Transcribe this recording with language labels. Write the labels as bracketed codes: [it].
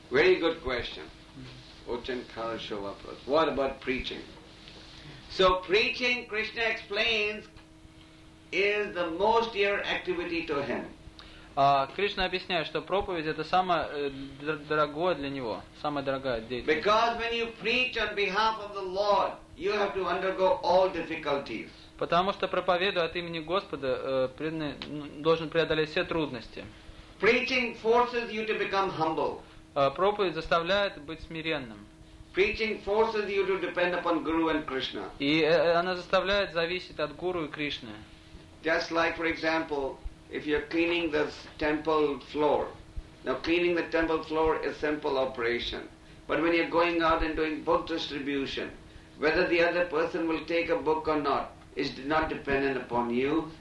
[en] Very good question. Mm-hmm. What about preaching? So preaching, Krishna explains, is the most dear activity to him. [ru] Кришна объясняет, что проповедь это самое дорогое для него, самая дорогая деятельность. [en] Because when you preach on behalf of the Lord, you have to undergo all difficulties. [ru] Потому что проповедуя от имени Господа, преданный должен преодолеть все трудности. [en] Preaching forces you to become humble. [ru] Проповедь заставляет быть смиренным. [en] Preaching forces you to depend upon Guru and Krishna. [ru] И она заставляет зависеть от Гуру и Кришны. [en] Just like, for example, if you're cleaning the temple floor. Now, cleaning the temple floor is simple operation. But when you're going out and doing book distribution, whether the other person will take a book or not is not dependent upon you.